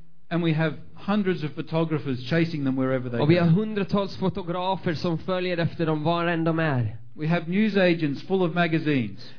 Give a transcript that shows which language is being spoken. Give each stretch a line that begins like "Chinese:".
English: And we have hundreds of photographers chasing them wherever they go.
Swedish: Och vi har hundratals fotografer som följer efter dem varenda de är.
English: We have news agents full of magazines.